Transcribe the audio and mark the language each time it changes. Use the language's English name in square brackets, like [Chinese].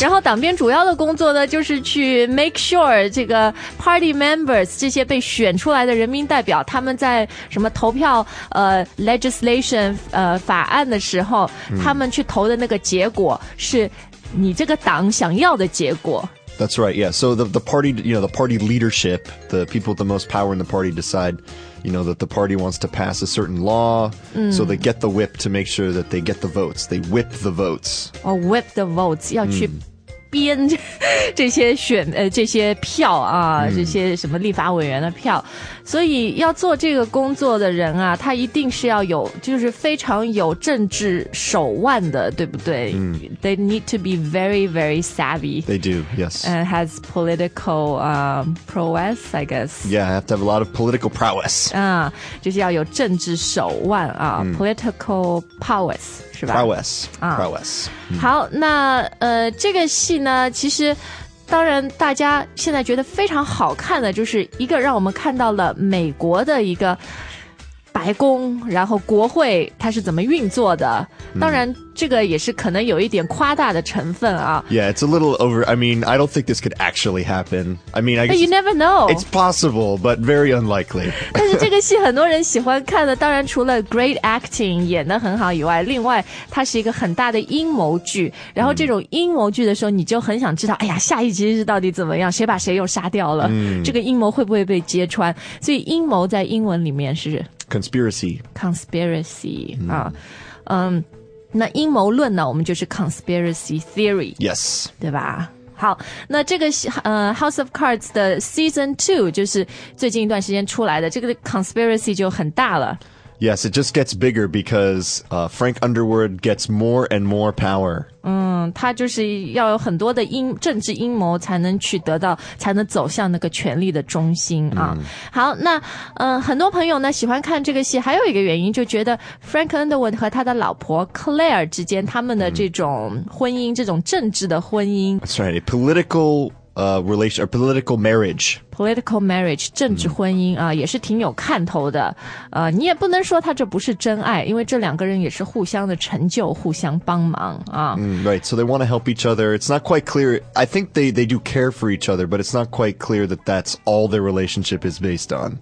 [Chinese] 然后党鞭主要的工作呢，就是去 [English] make sure [Chinese] 这个 [English] party members [Chinese] 这些被选出来的人民代表，他们在什么投票legislation 法案的时候，他们去投的那个结果是你这个党想要的结果。 [English] That's right, yeah. So the party, you know, the party leadership, the people with the most power in the party decide, you know, that the party wants to pass a certain law. Mm. So they get the whip to make sure that they get the votes. They whip the votes. Oh, whip the votes. [Chinese] 要去编这些选这些票啊、嗯、这些什么立法委员的票，所以要做这个工作的人啊，他一定是要有就是非常有政治手腕的，对不对、嗯、 [English] They need to be very very savvy. They do, yes. And has political prowess, I guess. Yeah, I have to have a lot of political prowess. [Chinese] 啊、就是要有政治手腕啊、嗯、Political prowess [English] Prowess, prowess.、 [Chinese] 好，那这个戏呢，其实当然大家现在觉得非常好看的，就是一个让我们看到了美国的一个白宫，然后国会它是怎么运作的。当然，这个也是可能有一点夸大的成分啊。 [English] Yeah, it's a little over. I mean, I don't think this could actually happen. I mean, I guess you never know. It's possible, but very unlikely. [Chinese] 但是这个戏很多人喜欢看的，当然除了 [English] great acting [Chinese] 演得很好以外，另外它是一个很大的阴谋剧。然后这种阴谋剧的时候，你就很想知道，哎呀，下一集是到底怎么样，谁把谁又杀掉了，这个阴谋会不会被揭穿？所以阴谋在英文里面是 [English] conspiracy. [Chinese] Conspiracy 啊，那阴谋论呢，我们就是 conspiracy theory. [English] Yes. [Chinese] 对吧？好，那这个House of Cards 的 season 2就是最近一段时间出来的，这个 conspiracy 就很大了。 [English] Yes, it just gets bigger because Frank Underwood gets more and more power. [Chinese] 嗯，他就是要有很多的政治阴谋才能取得到，才能走向那个权力的中心啊。好，那很多朋友呢喜欢看这个戏，还有一个原因就觉得 Frank Underwood 和他的老婆 Claire 之间他们的这种婚姻，这种政治的婚姻。 [English] That's right, a political relation, or political marriage. [Chinese] Political marriage, 政治婚姻啊、也是挺有看头的。你也不能说他这不是真爱，因为这两个人也是互相的成就，互相帮忙啊。 [English] Right, so they want to help each other. It's not quite clear. I think they do care for each other, but it's not quite clear that that's all their relationship is based on.